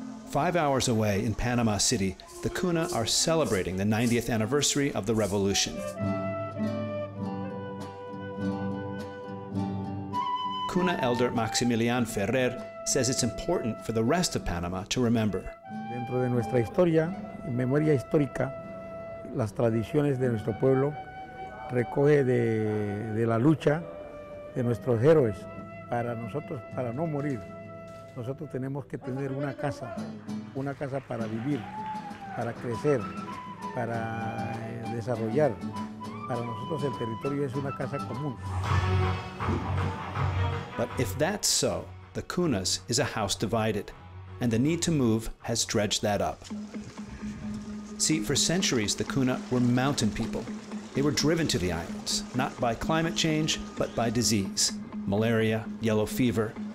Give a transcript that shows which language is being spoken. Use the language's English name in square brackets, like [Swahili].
[English] 5 hours away in Panama City, the Kuna are celebrating the 90th anniversary of the revolution. Kuna elder Maximilian Ferrer says it's important for the rest of Panama to remember. [Spanish] Dentro de nuestra historia, memoria histórica, las tradiciones de nuestro pueblo recoge de la lucha de nuestros héroes. Para nosotros, para no morir, nosotros tenemos que tener una casa para vivir, para crecer, para desarrollar. Para nosotros el territorio es una casa común. [English] But if that's so, the Kuna's is a house divided, and the need to move has dredged that up. See, for centuries, the Kuna were mountain people. They were driven to the islands, not by climate change, but by disease, malaria, yellow fever.